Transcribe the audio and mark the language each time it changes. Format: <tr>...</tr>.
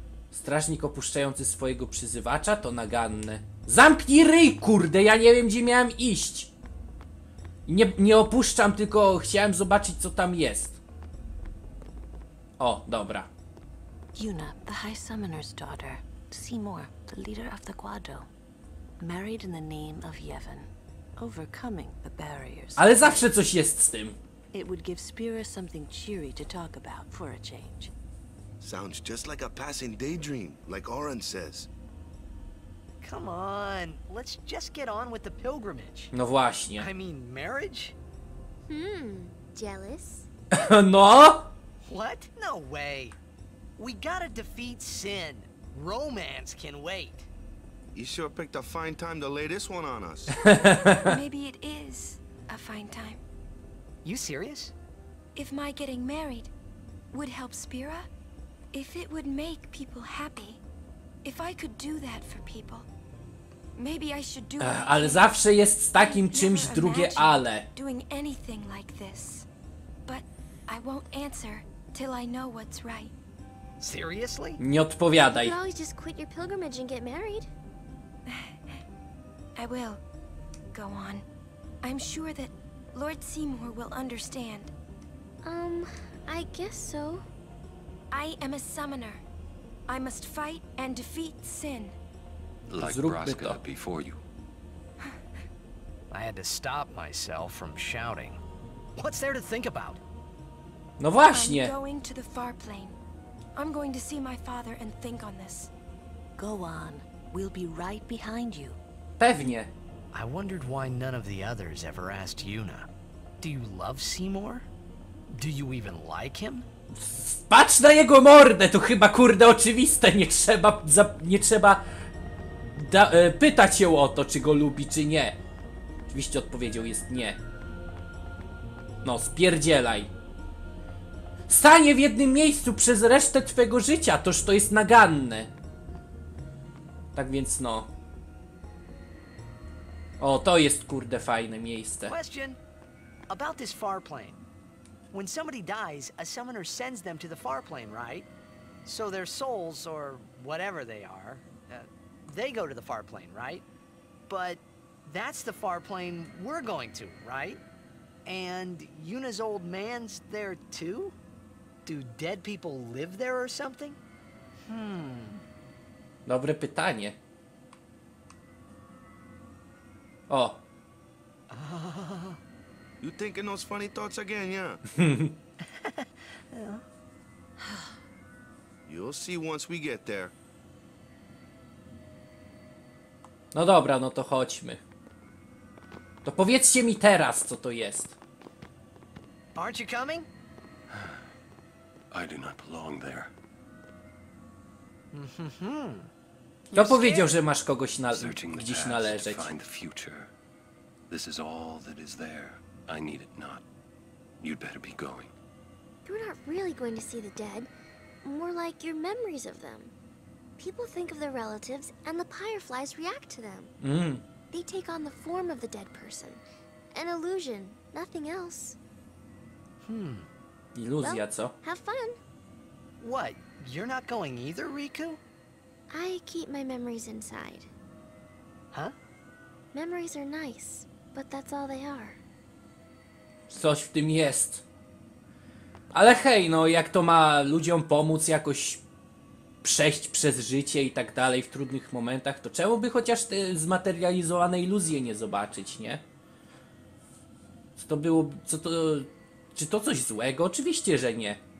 <pl>Strażnik opuszczający swojego przyzywacza to naganne. Zamknij ryj, kurde, ja nie wiem, gdzie miałem iść. Nie opuszczam, tylko chciałem zobaczyć, co tam jest. O, dobra.</pl> <en>Yuna, the High Summoner's daughter. Seymour, the leader of the Guado. Married in the name of Yevon. Overcoming the barriers.</en> <pl>Ale zawsze coś jest z tym.</pl> <en>It would give Spira something cheery to talk about for a change. Sounds just like a passing daydream, like Auron says. Come on, let's just get on with the pilgrimage.</en> <pl>No właśnie.</pl> <en>I mean, marriage? Jealous? No? What? No way. We gotta defeat Sin. Romance can wait. You sure picked a fine time to lay this one on us. Maybe it is a fine time. You serious? If my getting married would help Spira, if it would make people happy, if I could do that for people, maybe I should do it.</en> <pl>Ale zawsze jest z takim czymś drugie ale.</pl> <en>Doing anything like this, but I won't answer till I know what's right. Seriously?</en> <pl>Nie odpowiadaj.</pl> <en>You could always just quit your pilgrimage and get married. I will. Go on. I'm sure that Lord Seymour will understand. I guess so. I am a summoner. I must fight and defeat Sin. Like Braska before you. I had to stop myself from shouting. What's there to think about?</en> <pl>No właśnie.</pl> <en>I'm going to the far plane. I'm going to see my father and think on this. Go on. We'll be right behind you.</en> <pl>Pewnie.</pl> <en>I wondered why none of the others ever asked Yuna. Do you love Seymour? Do you even like him?</en> <pl>Patrz na jego mordę, to chyba kurde oczywiste, nie trzeba pytać ją o to, czy go lubi, czy nie. Oczywiście odpowiedzią jest nie. No, spierdzielaj. Stanie w jednym miejscu przez resztę twojego życia, toż to jest naganne. Tak więc no. O, to jest kurde fajne miejsce.</pl> <en>Question about this far plane. When somebody dies, a summoner sends them to the far plane, right? So their souls, or whatever they are, they go to the far plane, right? But that's the far plane we're going to, right? And Yuna's old man's there too? Do dead people live there or something?</en> <pl>Dobre pytanie. O.</pl> <en>You thinking those funny thoughts again, yeah? You'll see once we get there.</en> <pl>No dobra, no to chodźmy. To powiedzcie mi teraz, co to jest.</pl> <en>Aren't you coming? I do not belong there.</en> <pl>Kto powiedział, że masz kogoś gdzieś należeć?</pl> <en>Searching the past to find the future. This is all that is there. I need it not. You'd better be going. You're not really going to see the dead. More like your memories of them. People think of their relatives, and the Pyreflies react to them. They take on the form of the dead person. An illusion, nothing else.</en> <pl>Iluzja, co?</pl> <en>Well, have fun. What? You're not going either, Riku? I keep my memories inside. Huh? Memories are nice, but that's all they are.</en> <pl>Coś w tym jest. Ale hej, no jak to ma ludziom pomóc jakoś przejść przez życie i tak dalej w trudnych momentach, to czemu by chociaż te zmaterializowane iluzje nie zobaczyć, nie? Co to było? Co to? Czy to coś złego? Oczywiście, że nie.</pl>